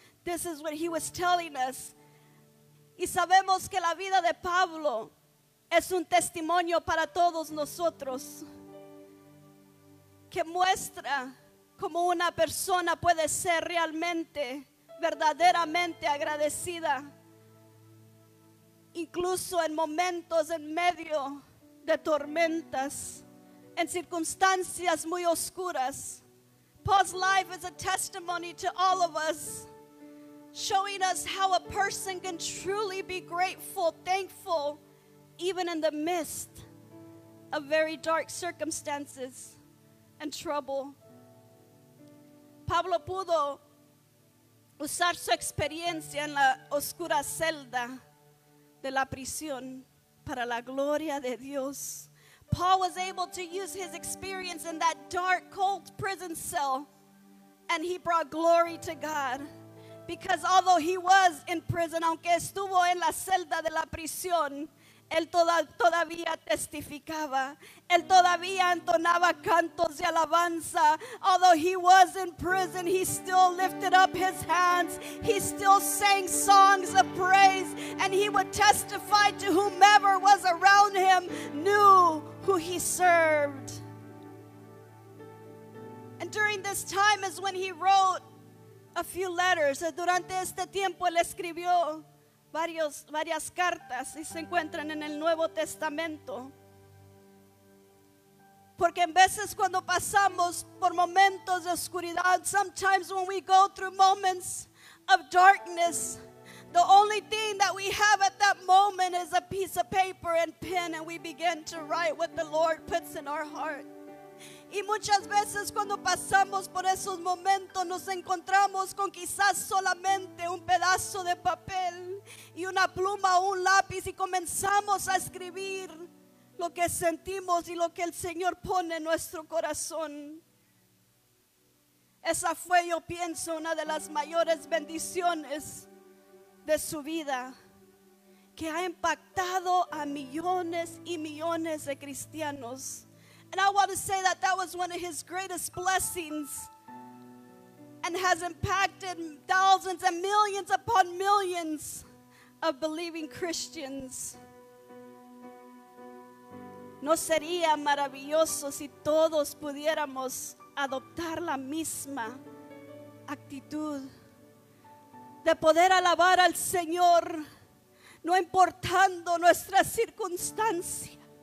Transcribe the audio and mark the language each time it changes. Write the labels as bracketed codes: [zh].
[en] This is what he was telling us. [es] Y sabemos que la vida de Pablo es un testimonio para todos nosotros, que muestra cómo una persona puede ser realmente, verdaderamente agradecida, incluso en momentos en medio de tormentas, en circunstancias muy oscuras. [en] Paul's life is a testimony to all of us, showing us how a person can truly be grateful, thankful, even in the midst of very dark circumstances and trouble. [es] Pablo pudo usar su experiencia en la oscura celda de la prisión para la gloria de Dios. [en] Paul was able to use his experience in that dark, cold prison cell, and he brought glory to God. Because although he was in prison, [es] aunque estuvo en la celda de la prisión, él todavía testificaba. Él todavía entonaba cantos de alabanza. [en] Although he was in prison, he still lifted up his hands. He still sang songs of praise. And he would testify to whomever was around him, knew who he served. And during this time is when he wrote a few letters. [es] Durante este tiempo, él escribió varias cartas y se encuentran en el Nuevo Testamento. Porque en veces cuando pasamos por momentos de oscuridad, [en] sometimes when we go through moments of darkness, the only thing that we have at that moment is a piece of paper and pen, and we begin to write what the Lord puts in our heart. [es] Y muchas veces cuando pasamos por esos momentos, nos encontramos con quizás solamente un pedazo de papel y una pluma o un lápiz, y comenzamos a escribir lo que sentimos y lo que el Señor pone en nuestro corazón. Esa fue, yo pienso, una de las mayores bendiciones de su vida, que ha impactado a millones y millones de cristianos. [en] And I want to say that that was one of his greatest blessings, and has impacted thousands and millions upon millions of believing Christians. [es] No sería maravilloso si todos pudiéramos adoptar la misma actitud de poder alabar al Señor, no importando nuestra circunstancia.